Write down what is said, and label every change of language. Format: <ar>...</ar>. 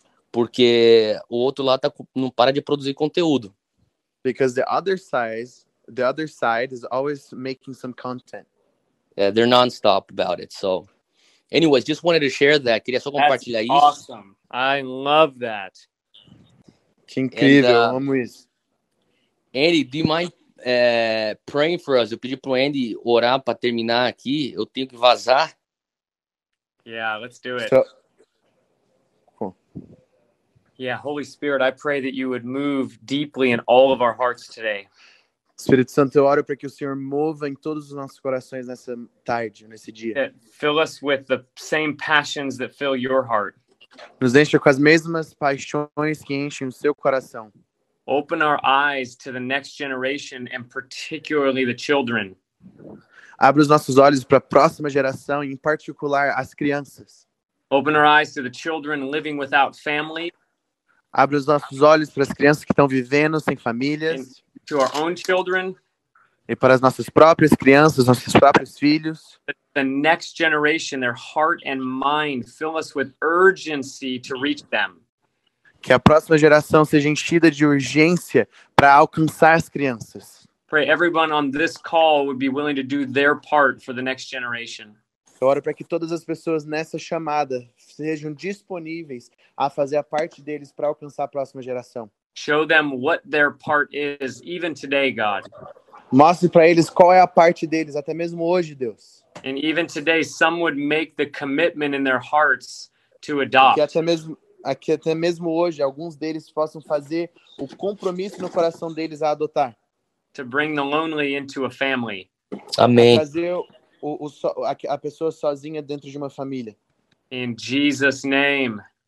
<pt>Porque o outro lado não para de produzir conteúdo.</pt> <en>Because the other side is always making some content. Yeah, they're non-stop about it, so Anyways, just wanted to share that.</en> <pt>Queria só compartilhar</pt> <en>isso. That's awesome. I love that.</en> <pt>Que incrível. And, amo isso.</pt> <en>Andy, do you mind praying for us?</en> <pt>Eu pedi pro Andy orar para terminar aqui. Eu tenho que vazar.</pt> <en>Yeah, let's do it. So, cool. Yeah, Holy Spirit, I pray that you would move deeply in all of our hearts today.</en> <pt>Espírito Santo, eu oro para que o Senhor mova em todos os nossos corações nessa tarde, nesse dia.</pt> <en>That fill us with the same passions that fill your heart.</en> <pt>Nos encha com as mesmas paixões que enchem o seu coração.</pt> <en>Open our eyes to the next generation and particularly the children.</en> <pt>Abre os nossos olhos para a próxima geração, em particular as crianças.</pt> <en>Open our eyes to the children living without family.</en> <pt>Abre os nossos olhos para as crianças que estão vivendo sem famílias.</pt> <en>And to our own children.</en> <pt>E para as nossas próprias crianças, nossos próprios filhos.</pt> <en>The next generation, their heart and mind, fill us with urgency to reach them.</en> <pt>Que a próxima geração seja enchida de urgência para alcançar as crianças.</pt> <en>Pray everyone on this call would be willing to do their part for the next generation.</en> <pt>Eu oro para que todas as pessoas nessa chamada sejam disponíveis a fazer a parte deles para alcançar a próxima geração.</pt> <en>Show them what their part is, even today, God.</en> <pt>Mostre para eles qual é a parte deles, até mesmo hoje, Deus.</pt> <en>And even today, some would make the commitment in their hearts to adopt.</en> <pt>Que até mesmo hoje, alguns deles possam fazer o compromisso no coração deles a adotar.</pt> <en>To bring the lonely into a family.</en> <pt>Amém. Fazer a pessoa sozinha dentro de uma família.</pt> <en>In Jesus' name.</en>